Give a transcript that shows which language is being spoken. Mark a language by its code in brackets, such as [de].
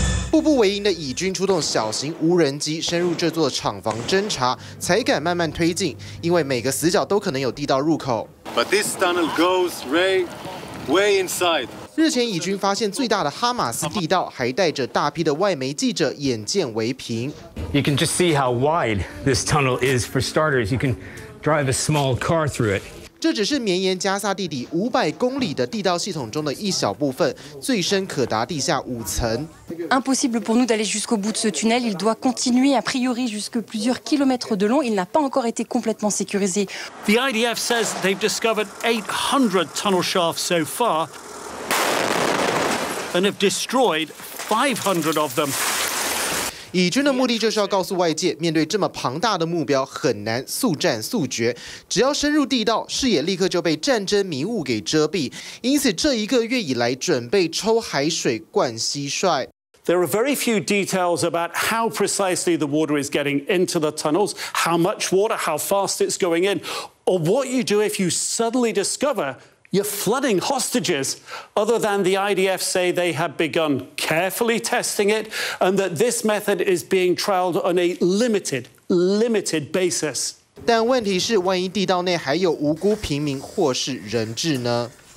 [zh] 步步为营的以军出动小型无人机深入这座厂房侦查，才敢慢慢推进，因为每个死角都可能有地道入口。 [en] But this tunnel goes way inside. [zh] 日前以军发现最大的哈马斯地道，还带着大批的外媒记者眼见为凭。 [en] You can just see how wide this tunnel is. For starters, you can drive a small car through it. [zh] 这只是绵延加萨地底500公里的地道系统中的一小部分，最深可达地下5层。 [fr] Impossible pour nous d'aller jusqu'au bout de ce tunnel. Il doit continuer a priori jusque plusieurs kilomètres de long. Il n'a pas encore été complètement sécurisé. [en] The IDF says they've discovered 800 tunnel shafts so far and have destroyed 500 of them. [zh] 以军的目的就是要告诉外界，面对这么庞大的目标，很难速战速决。只要深入地道，视野立刻就被战争迷雾给遮蔽。因此，这一个月以来，准备抽海水灌蟋蟀。 [en] There are very few details about how precisely the water is getting into the tunnels, how much water, how fast it's going in, or what you do if you suddenly discover you're flooding hostages, other than the IDF say they have begun carefully testing it, and that this method is being trialed on a limited basis. [zh] 但问题是，万一地道内还有无辜平民或是人质呢？